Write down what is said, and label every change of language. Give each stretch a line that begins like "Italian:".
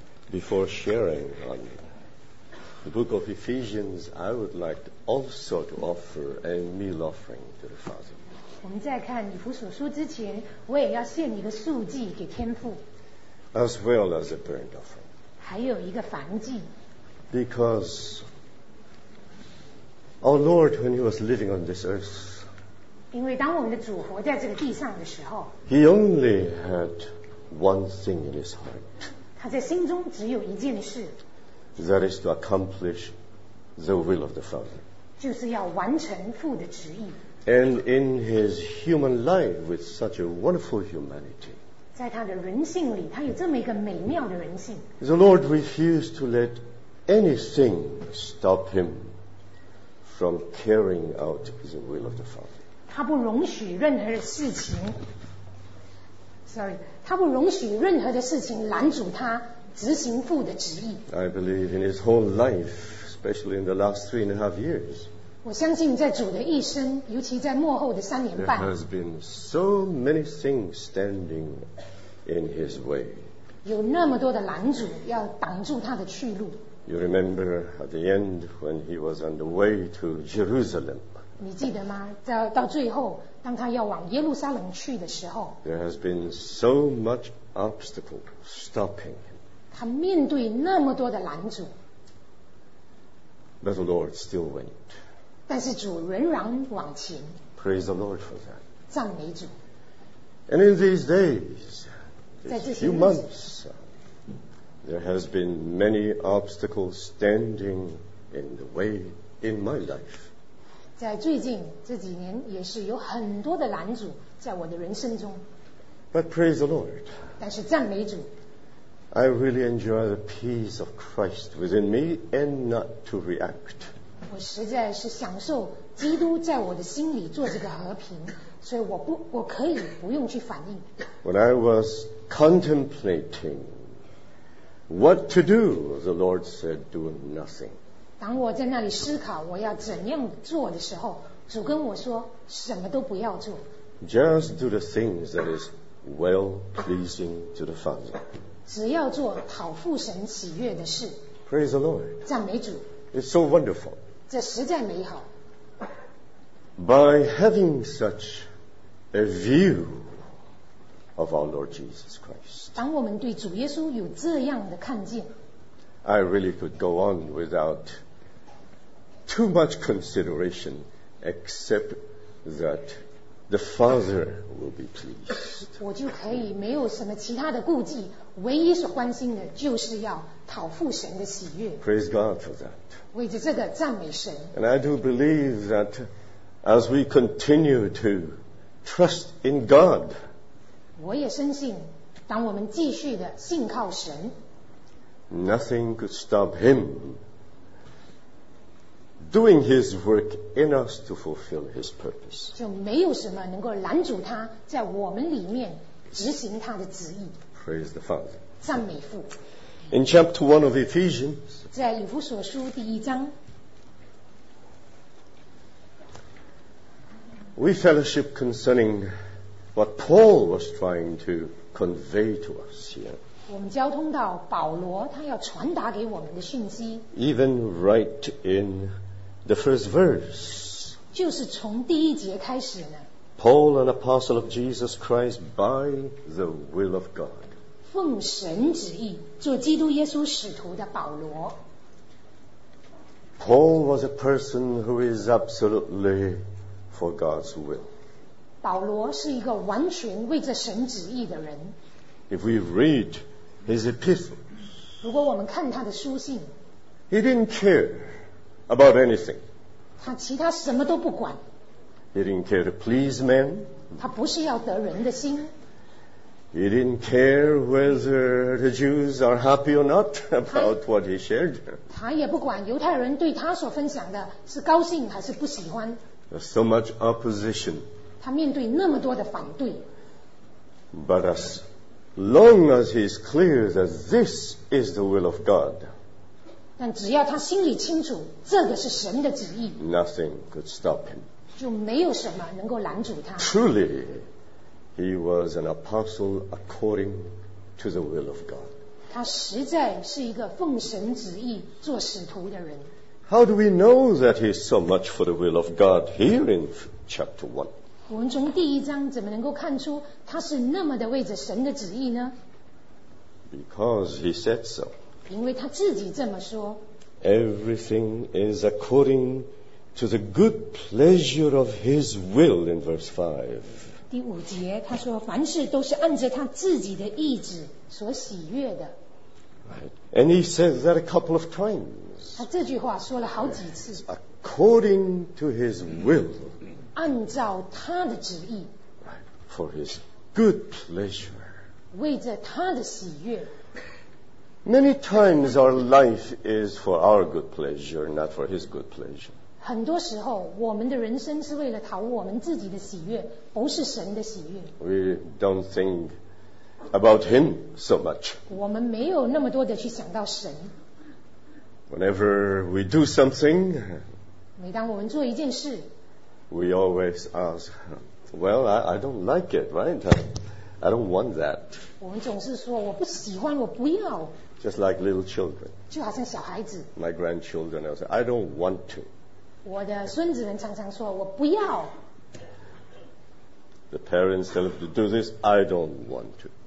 English: Before sharing on the book of Ephesians, I would like also to offer a meal offering to the Father.
Chinese: 我们在看以弗所书之前，我也要献一个素祭给天父。
English: As well as a burnt offering.
Chinese: 还有一个燔祭。
English: Because our Lord, when He was living on this earth,
Chinese: 因为当我们的主活在这个地上的时候
English: ，He only had one thing in His heart.
Chinese: 他在心中只有一件事。
English: That is to accomplish the will of the Father.
Chinese: 就是要完成父的旨意。
English: And in his human life with such a wonderful humanity,
Chinese: 在他的人性里，他有这么一个美妙的人性。
English: The Lord refused to let anything stop him from carrying out the will of the Father.
Chinese: 他不容许任何的事情 他不容许任何的事情拦阻他执行父的旨意。
English: I believe in his whole life, especially in the last 3.5 years,
Chinese: 我相信在主的一生，尤其在末后的三年半
English: ，There has been so many things standing in his way.
Chinese: 有那么多的拦阻要挡住他的去路。
English: You remember at the end when he was on the way to Jerusalem.
Chinese: 你记得吗？到最后，当他要往耶路撒冷去的时候
English: ，There has been so much obstacle stopping him.
Chinese: 他面对那么多的拦阻
English: ，But the Lord still went.
Chinese: 但是主仍然往前。
English: Praise the Lord for that.
Chinese: 赞美主。
English: And in these days, these few months, there has been many obstacles standing in the way in my life.
Chinese: 在最近这几年，也是有很多的拦阻在我的人生中。
English: But praise the Lord.
Chinese: 但是赞美主。
English: I really enjoy the peace of Christ within me and not to react.
Chinese: 我实在是享受基督在我的心里做这个和平，所以我可以不用去反应。
English: When I was contemplating what to do, the Lord said, "Do nothing."
Chinese: 当我在那里思考我要怎样做的时候，主跟我说什么都不要做。
English: Just do the things that is well pleasing to the Father.
Chinese: 只要做讨父神喜悦的事。
English: Praise the Lord.
Chinese: 赞美主。
English: It's so wonderful.
Chinese: 这实在美好。
English: By having such a view of our Lord Jesus Christ,
Chinese: 当我们对主耶稣有这样的看见
English: ，I really could go on without too much consideration, except that the Father will be pleased.
Chinese: 我就可以没有什么其他的顾忌，唯一所关心的就是要讨父神的喜悦。
English: Praise God for that.
Chinese: 为着这个赞美神。
English: And I do believe that as we continue to trust in God,
Chinese: 我也深信，当我们继续的信靠神
English: ，nothing could stop Him doing His work in us to fulfill His purpose.
Chinese: 就没有什么能够拦阻他在我们里面执行他的旨意。
English: Praise the Father.
Chinese: 赞美父。
English: In chapter 1 of Ephesians,
Chinese: 在以弗所书第一章
English: we fellowship concerning what Paul was trying to convey to us here.
Chinese: 我们交通到保罗他要传达给我们的讯息
English: even right in the first verse.
Chinese: 就是从第一节开始呢
English: Paul, an apostle of Jesus Christ, by the will of God.
Chinese: 奉神旨意做基督耶稣使徒的保罗
English: Paul was a person who is absolutely for God's will.
Chinese: 保罗是一个完全为着神旨意的人
English: If we read his epistles,
Chinese: 如果我们看他的书信
English: He didn't care about anything.
Chinese: 他其他什么都不管
English: He didn't care to please men.
Chinese: 他不是要得人的心
English: He didn't care whether the Jews are happy or not about what he shared.
Chinese: 他也不管犹太人对他所分享的是高兴还是不喜欢。
English: There's so much opposition.
Chinese: 他面对那么多的反对。
English: But as long as he's clear that this is the will of God,
Chinese: 但只要他心里清楚这个是神的旨意
English: ，nothing could stop him.
Chinese: 就没有什么能够拦阻他。
English: Truly. He was an apostle according to the will of God.
Chinese: 他实在是一个奉神旨意做使徒的人。
English: How do we know that he's so much for the will of God here in chapter 1?
Chinese: 我们从第一章怎么能够看出他是那么的为着神的旨意呢？
English: Because he said so.
Chinese: 因为他自己这么说。
English: Everything is according to the good pleasure of his will in verse 5.
Chinese: 第五节他说凡事都是按着他自己的意志所喜悦的。
English: Right. And he says that a couple of times.
Chinese: 他这句话说了好几次。
English: According to his will.
Chinese: 按照他的旨意。
English: For his good pleasure.
Chinese: 为着他的喜悦。
English: Many times our life is for our good pleasure, not for his good pleasure.
Chinese: 很多时候我们的人生是为了讨我们自己的喜悦，不是神的喜悦。
English: We don't think about him so much.
Chinese: 我们没有那么多的去想到神。
English: Whenever we do something,
Chinese: 每当我们做一件事,
English: we always ask, well, I don't like it, right? I don't want that.
Chinese: 我们总是说我不喜欢，我不要。
English: Just like little children.
Chinese: 就好像小孩子。
English: My grandchildren, I'll say, I don't want to.
Chinese: 我的孙子们常常说我不要。
English: The parents tell them to do this, I don't want to.